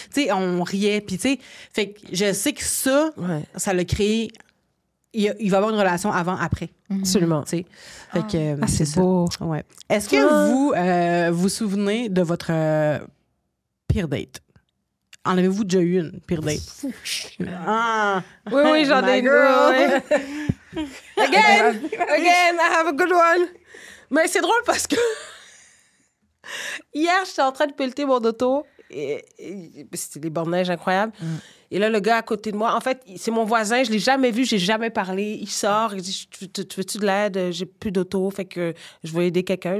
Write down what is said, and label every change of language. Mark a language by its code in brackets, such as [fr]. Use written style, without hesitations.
[fr] Tu sais, on riait, puis tu sais... Fait que je sais que ça, ça l'a créé... Il va y avoir une relation avant-après. Absolument. T'sais. Fait que, c'est ça. Beau. Ouais. Est-ce que vous vous souvenez de votre pire date? En avez-vous déjà eu une pire date? Oui, j'en ai une. [en] Again, again, I have a good one. [fr] Mais c'est drôle parce que hier, j'étais en train de pelleter mon auto. Et c'était des bornes de neige incroyables. Mm. Et là, le gars à côté de moi, en fait, c'est mon voisin, je l'ai jamais vu, j'ai jamais parlé. Il sort, il dit tu veux-tu de l'aide? J'ai plus d'auto, fait que je vais aider quelqu'un.